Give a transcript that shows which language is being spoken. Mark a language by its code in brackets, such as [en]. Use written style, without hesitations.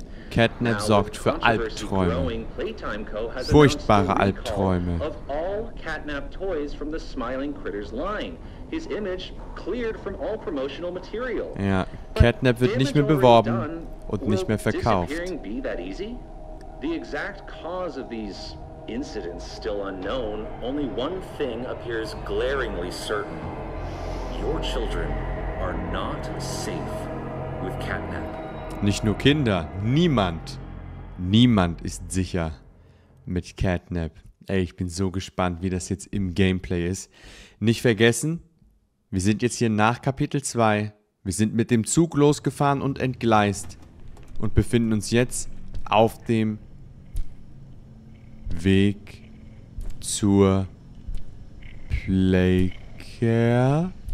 [de] Catnap sorgt für Albträume. Furchtbare Albträume. [en] Of all Catnap toys from the Smiling Critters line, his image cleared from all promotional material. [de] Ja, Catnap wird nicht mehr beworben und nicht mehr verkauft. [en] The exact cause of these incidents still unknown, only one thing appears glaringly certain. Your children are not safe with Catnap. [de] Nicht nur Kinder, niemand. Niemand ist sicher mit Catnap. Ey, ich bin so gespannt, wie das jetzt im Gameplay ist. Nicht vergessen, wir sind jetzt hier nach Kapitel 2. Wir sind mit dem Zug losgefahren und entgleist und befinden uns jetzt auf dem Weg zur Playcare.